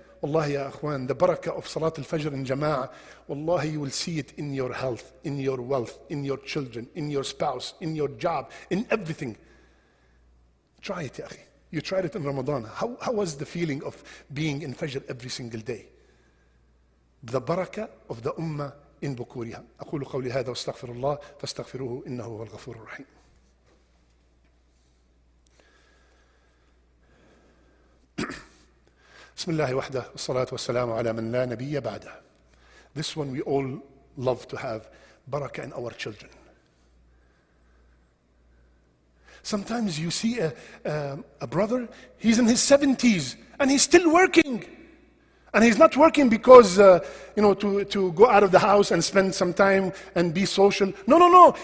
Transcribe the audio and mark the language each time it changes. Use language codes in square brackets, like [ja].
[ar] والله يا أخوان, [en] the barakah of [ar] صلاة الفجر [en] in جماعة, [ar] والله [en] you will see it in your health, in your wealth, in your children, in your spouse, in your job, in everything. Try it, [ar] يا أخي. [en] You tried it in Ramadan. How was the feeling of being in Fajr every single day? The barakah of the ummah in bukuriha. [ar] أقول قولي هذا واستغفر الله فاستغفروه إنه هو الغفور الرحيم. بسم الله وحده والصلاة والسلام على من لا نبي بعده. [en] This one we all love to have barakah in our children. Sometimes you see a brother, he's in his 70s and he's still working. And he's not working because, to go out of the house and spend some time and be social. No.